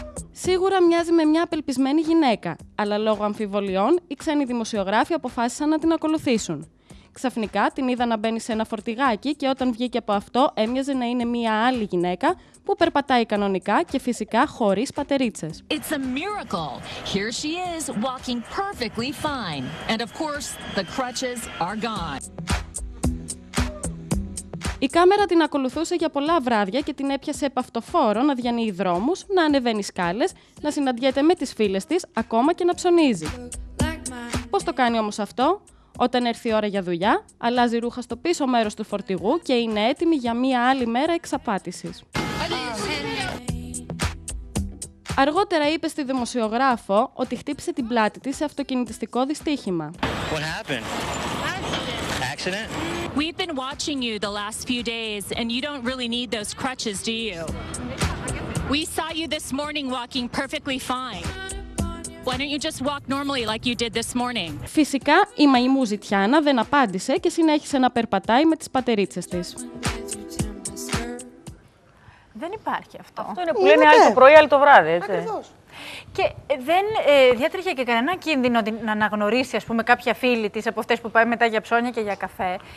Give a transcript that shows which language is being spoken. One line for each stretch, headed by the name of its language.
Greek: Σίγουρα μοιάζει με μια απελπισμένη γυναίκα, αλλά λόγω αμφιβολιών, οι ξένοι δημοσιογράφοι αποφάσισαν να την ακολουθήσουν. Ξαφνικά την είδα να μπαίνει σε ένα φορτηγάκι και όταν βγήκε από αυτό έμοιαζε να είναι μία άλλη γυναίκα που περπατάει κανονικά και φυσικά χωρίς πατερίτσες.
English: It's a miracle. Here she is, walking perfectly fine. And of course, the crutches are gone.
Greek: Η κάμερα την ακολουθούσε για πολλά βράδια και την έπιασε επ' αυτοφόρο να διανύει δρόμους, να ανεβαίνει σκάλες, να συναντιέται με τις φίλες της, ακόμα και να ψωνίζει. Πώς το κάνει όμως αυτό? Όταν έρθει η ώρα για δουλειά, αλλάζει ρούχα στο πίσω μέρος του φορτηγού και είναι έτοιμη για μία άλλη μέρα εξαπάτησης. Αργότερα είπε στη δημοσιογράφο ότι χτύπησε την πλάτη της σε αυτοκινητιστικό δυστύχημα.
English: What happened? Accident. We've been watching you the last few days and you don't really need those crutches, do you? We saw you this morning walking perfectly fine. Why don't you just walk normally like you did this morning?
Greek: Φυσικά, η μαϊμού Ζητιάνα δεν απάντησε και συνέχισε να περπατάει με τις πατερίτσες της. Δεν υπάρχει αυτό. Αυτό είναι που λένε άλλοι το πρωί, άλλοι το βράδυ, έτσι. Ακριβώς. Και δεν διατρέχει και κανένα κίνδυνο να αναγνωρίσει, ας πούμε, κάποια φίλη της από αυτές που πάει μετά για ψώνια και για καφέ.